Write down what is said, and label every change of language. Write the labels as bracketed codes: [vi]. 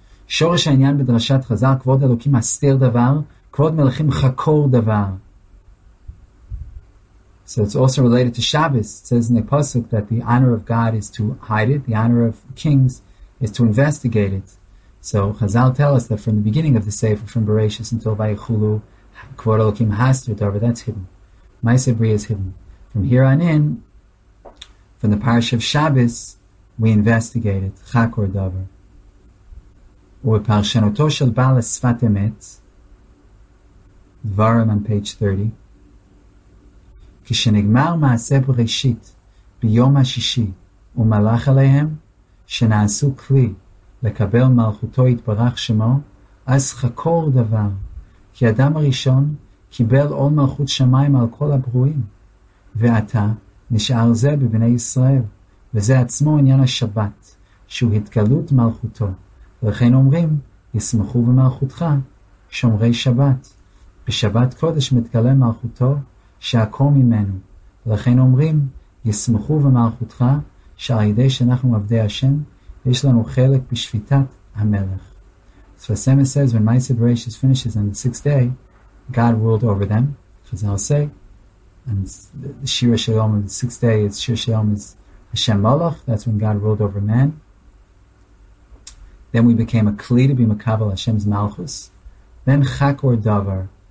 [he] שורש העניין בדרשת חזר, כבוד אלוקים מסתיר דבר, כבוד מלאכים חקור דבר. [en] So it's also related to Shabbos. It says in the Pasuk that the honor of God is to hide it, the honor of kings is to investigate it. So Chazal tell us that from the beginning of the Sefer, from Bereishis until Vayechulu, [he] כבוד אלוקים הסתיר דבר, [en] that's hidden. Ma'aseh Bria is hidden. From here on in, from the parasha of Shabbos, we investigate it, chakor davar. [he] ובפרשנותו של בעל השפת אמת, דברם [en] on page 30, [he] כשנגמר מעשה בראשית ביום השישי, ומלך עליהם, שנעשו כלי לקבל מלכותו יתברך שמו, אז חקור דבר, כי אדם הראשון קיבל עול מלכות שמיים על כל הברואים, ועתה נשאר זה בבני ישראל, וזה עצמו עניין השבת, שהוא התגלות מלכותו, ולכן אומרים, ישמחו במלכותך, שומרי שבת. בשבת קודש מתגלה מלכותו, שעקור ממנו. ולכן אומרים, ישמחו במלכותך, שעל ידי שאנחנו עבדי השם, יש לנו חלק בשפיטת המלך. [en] So the same says, when Maaseh Bereishis finishes on the sixth day, God ruled over them. Chazal say, and the Shir HaShalom of the sixth day, it's Shir HaShalom is Hashem Malach, that's when God ruled over man. Then we became a kli to be mekabel Hashem's malchus. Then chakor davar.